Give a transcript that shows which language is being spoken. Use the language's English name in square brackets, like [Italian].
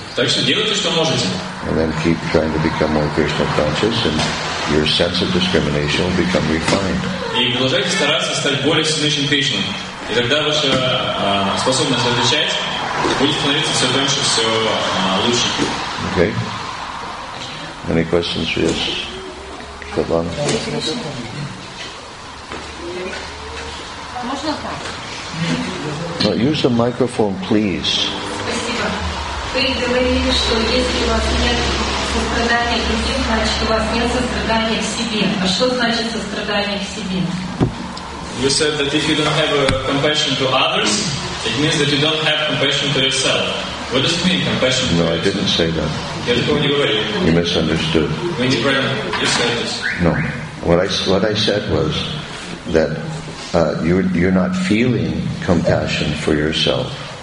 [English] And then keep trying to become more Krishna conscious, and your sense of discrimination will become refined. [Russian] И тогда ваша способность отвечать будет становиться все больше, все лучше. [English] Okay. Any questions for us? Шабан? [Russian] Можно так? [English] No, use the microphone, please. [Russian] Спасибо. Вы говорили, что если у вас нет сострадания к другим, значит, у вас нет сострадания к себе. А что значит сострадание к себе? [English] You said that if you don't have compassion to others, it means that you don't have compassion to yourself. What does it mean, compassion? No, I didn't say that. You misunderstood. You said this. No. What I said was that you're not feeling compassion for yourself.